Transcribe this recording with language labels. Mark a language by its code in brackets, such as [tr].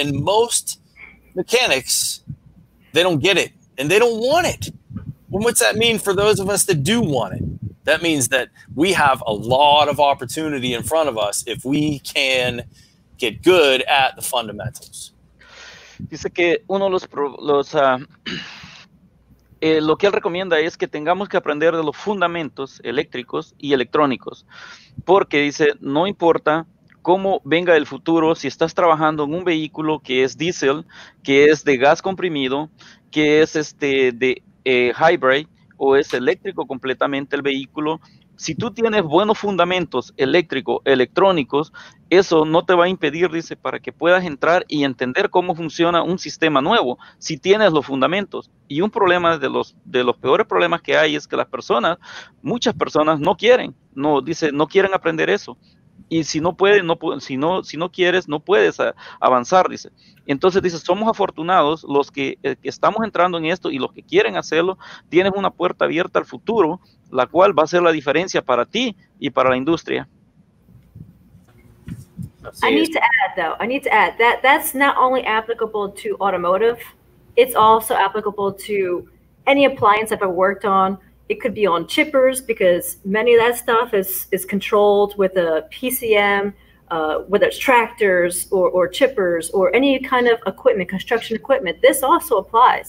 [en] And most mechanics, they don't get it and they don't want it. Well, what's that mean for those of us that do want it? That means that we have a lot of opportunity in front of us if we can get good at the fundamentals. [es] Dice que uno de lo que él recomienda es que tengamos que aprender de los fundamentos eléctricos y electrónicos, porque dice, no importa cómo venga el futuro, si estás trabajando en un vehículo que es diésel, que es de gas comprimido, que es hybrid o es eléctrico completamente el vehículo, si tú tienes buenos fundamentos eléctricos, electrónicos, eso no te va a impedir, dice, para que puedas entrar y entender cómo funciona un sistema nuevo, si tienes los fundamentos. Y un problema de los peores problemas que hay es que las personas, muchas personas no quieren, no, dice, no quieren aprender eso. Y si no puedes, si no quieres, no puedes avanzar, dice. Entonces, dice, somos afortunados los que estamos entrando en esto y los que quieren hacerlo, tienes una puerta abierta al futuro, la cual va a ser la diferencia para ti y para la industria. [en] I need to add, though, that's not only applicable to automotive, it's also applicable to any appliance I've ever worked on. It could be on chippers, because many of that stuff is controlled with a PCM, whether it's tractors or chippers or any kind of equipment, construction equipment. This also applies.